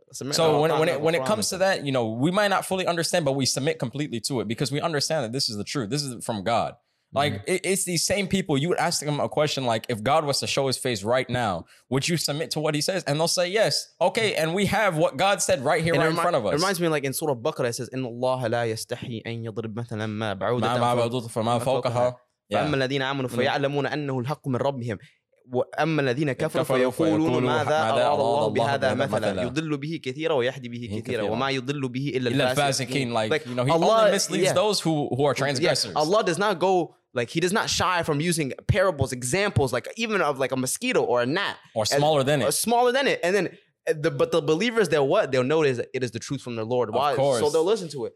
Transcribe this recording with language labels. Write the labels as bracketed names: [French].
[English] So when it comes to that, you know, we might not fully understand, but we submit completely to it because we understand that this is the truth. This is from God. Like, it's these same people, you would ask them a question like, if God was to show his face right now, would you submit to what he says? And they'll say, yes. Okay, and we have what God said right here, right in front of us. It reminds me, like, in Surah Baqarah, it says, [Arabic] إِنَّ اللَّهَ لَا يَسْتَحِي أَن يَضْرِبْ مَثَلًا مَا بَعُودَةً فَمَا فَوْقَهَا فَأَمَّا الَّذِينَ آمَنُوا فَيَعْلَمُونَ أَنَّهُ الْحَقُّ مِنْ رَبِّهِمْ وأما الذين كفروا فيقولون ماذا أراد الله بهذا مثلا يضل به كثيرا ويهدي به كثيرا وما يضل به إلا الفاسقين. [English] Like, you know, he only misleads those who are transgressors. Yeah. Allah does not go, like, he does not shy from using parables, examples, like even of like a mosquito or a gnat. Or smaller than it. And then, but the believers, they'll what? They'll know it is the truth from their Lord. Why? Of course. So they'll listen to it.